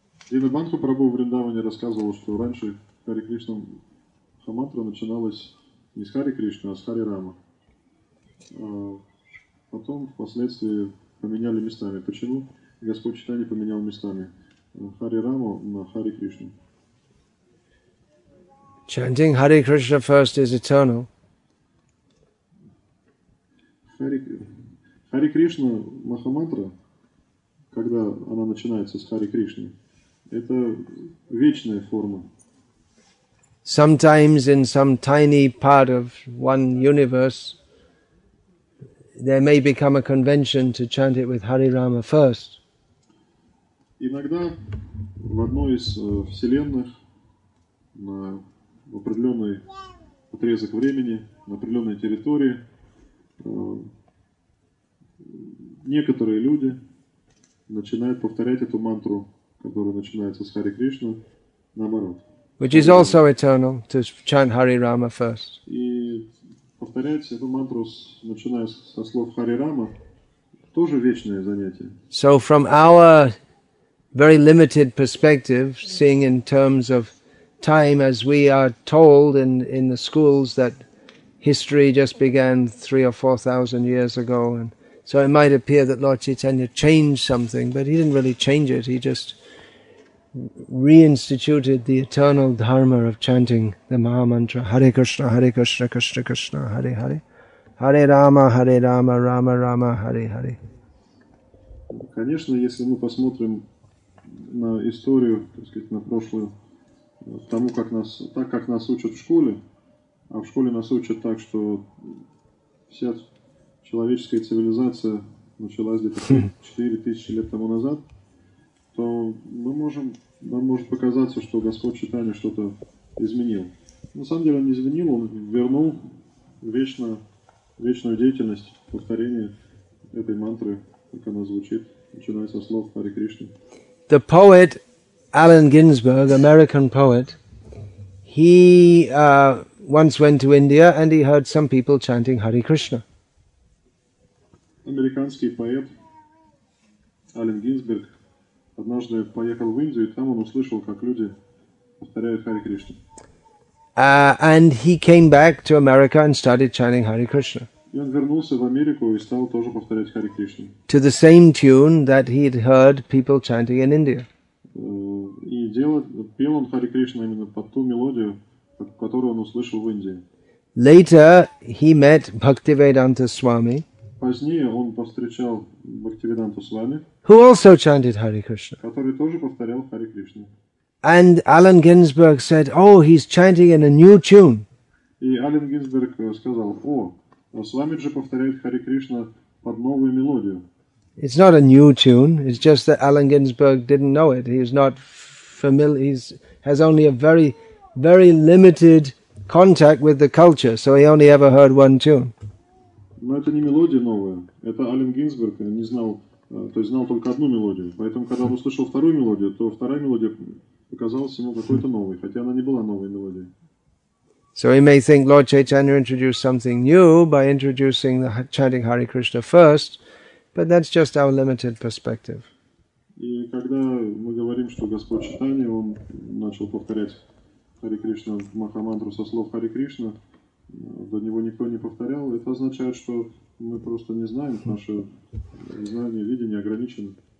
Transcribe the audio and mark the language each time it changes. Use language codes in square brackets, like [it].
[ru] Dinabandhu Prabhu в Вриндаване рассказывал, что раньше Hare Krishna Хамантра начиналась не с Харе Кришны, а с Харе Рама. Потом, впоследствии, поменяли местами. Почему Господь Чайтанья поменял местами Харе Раму на Харе Кришну? [en] Chanting Hare Krishna first is eternal. [ru] Харе Кришна Махамантра, когда она начинается с Харе Кришны, это вечная форма. [en] Sometimes in some tiny part of one universe, there may become a convention to chant it with Hare Rama first. [ru] Иногда в одной из вселенных на определенный отрезок времени на определенной территории некоторые люди начинают повторять эту мантру, которая начинается с Харе Кришны, наоборот. [en] Which is also eternal, to chant Hare Rama first. [ru] И повторять эту мантру, начиная со слов Hare Rama, тоже вечное занятие. [en] So from our very limited perspective, seeing in terms of time, as we are told in the schools that history just began 3,000 or 4,000 years ago, and so it might appear that Lord Chaitanya changed something, but he didn't really change it, he just reinstituted the eternal dharma of chanting the Maha Mantra Hare Krishna, Hare Krishna, Krishna Krishna, Hare Hare, Hare Rama, Hare Rama, Rama Rama, Hare Hare. [ru] Конечно, если мы посмотрим на историю, так сказать, на прошлую, тому, как нас, так как нас учат в школе, а в школе нас учат так, что вся человеческая цивилизация началась где-то 4,000 лет тому назад, то мы можем, нам может показаться, что Господь Читания что-то изменил. На самом деле он не изменил, он вернул вечную деятельность повторения этой мантры, как она звучит, начиная со слов Хари Кришна. [en] The poet Allen Ginsberg, American poet, he once went to India and he heard some people chanting Hare Krishna. [ru] Американский поэт Аллен Гинзберг однажды поехал в Индию, и там он услышал, как люди повторяют Хари Кришна. [en] And he came back to America and started chanting Hare Krishna. [ru] И он вернулся в Америку и стал тоже повторять Хари Кришна. [en] To the same tune that he had heard people chanting in India. [ru] Пел он Хари Кришна именно под ту мелодию, которую он услышал в Индии. [en] Later he met Bhaktivedanta Swami. [ru] Позднее он повстречал Бхактивиданту Свами, [en] who also chanted Hare Krishna, [ru] который тоже повторял Хари Кришну. [en] And Allen Ginsberg said, "Oh, he's chanting in a new tune." [ru] И Аллен Гинзберг сказал: "О, Свамиджи повторяет Хари Кришна под новую мелодию." [en] It's not a new tune. It's just that Allen Ginsberg didn't know it. He's not familiar. He has only a very, very limited contact with the culture, so he only ever heard one tune. [ru] Но это не мелодия новая. Это Аллен Гинзберг не знал, то есть знал только одну мелодию. Поэтому, когда он услышал вторую мелодию, то вторая мелодия показалась ему какой-то новой, хотя она не была новой мелодией. [en] So he may think Lord Chaitanya introduced something new by introducing the chanting Hare Krishna first, but that's just our limited perspective. [ru] И когда мы говорим, что Господь Чайтанья, он начал повторять Хари Кришна Махамантру со слов Хари Кришна, до него никто не повторял, это означает, что мы просто не знаем, наше знание, видение ограничено.